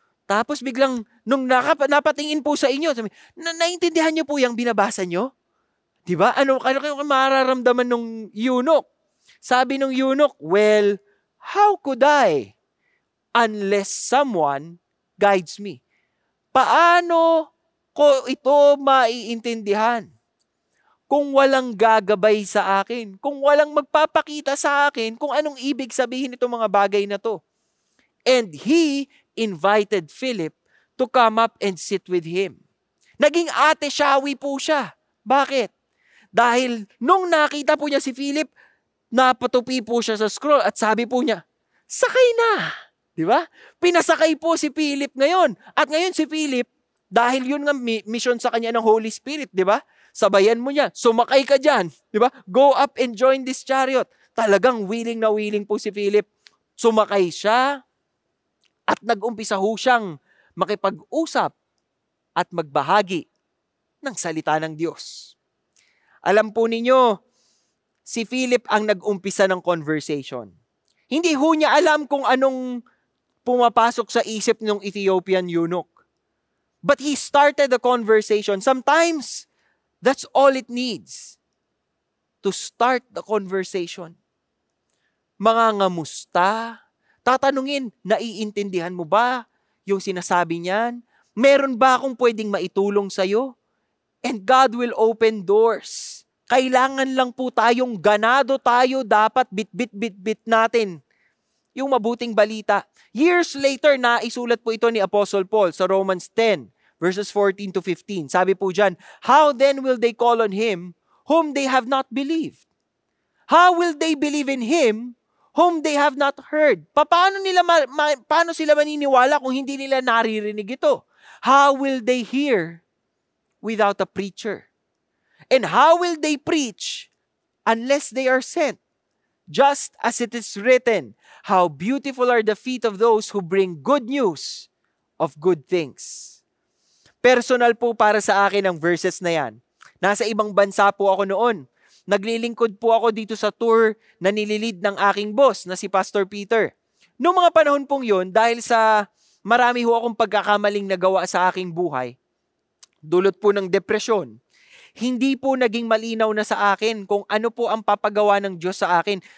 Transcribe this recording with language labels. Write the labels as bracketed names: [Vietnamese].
[Filipino] Tapos biglang nung napatingin po sa inyo, naiintindihan niyo po yung binabasa niyo? Diba? Ano kayo mararamdaman ng eunuch? Sabi ng eunuch, [English] well, how could I unless someone guides me? [Filipino] Paano ko ito maiintindihan? Kung walang gagabay sa akin, kung walang magpapakita sa akin kung anong ibig sabihin itong mga bagay na to. [English] And he invited Philip to come up and sit with him. [Filipino] Naging ate shawi po siya. Bakit? Dahil nung nakita po niya si Philip, napatupi po siya sa scroll at sabi po niya, sakay na! Di ba? Pinasakay po si Philip ngayon. At ngayon si Philip, dahil yun nga mission sa kanya ng Holy Spirit, di ba? Sabayan mo niya, sumakay ka dyan, di ba? [English] Go up and join this chariot. [Filipino] Talagang willing na willing po si Philip. Sumakay siya at nag-umpisa ho siyang makipag-usap at magbahagi ng salita ng Diyos. Alam po ninyo, si Philip ang nag-umpisa ng conversation. Hindi ho niya alam kung anong pumapasok sa isip ng Ethiopian eunuch. [English] But he started the conversation. Sometimes, that's all it needs to start the conversation. [Filipino] Mga ngamusta, tatanungin, naiintindihan mo ba yung sinasabi niyan? Meron ba akong pwedeng maitulong sa'yo? [English] And God will open doors. [Filipino] Kailangan lang po tayong ganado tayo, dapat bit natin yung mabuting balita. Years later, naisulat po ito ni Apostle Paul sa Romans 10 verses 14 to 15. Sabi po dyan, [English] how then will they call on him whom they have not believed? How will they believe in Him whom they have not heard? [Filipino] Paano nila paano sila maniniwala kung hindi nila naririnig ito? [English] How will they hear without a preacher? And how will they preach unless they are sent? Just as it is written, how beautiful are the feet of those who bring good news of good things. [Filipino] Personal po para sa akin ang verses na yan. Nasa ibang bansa po ako noon. Naglilingkod po ako dito sa tour na nililid ng aking boss na si Pastor Peter. Noong mga panahon pong yun, dahil sa marami ho akong pagkakamaling nagawa sa aking buhay, dulot po ng depresyon, hindi po naging malinaw na sa akin kung ano po ang papagawa ng Diyos sa akin.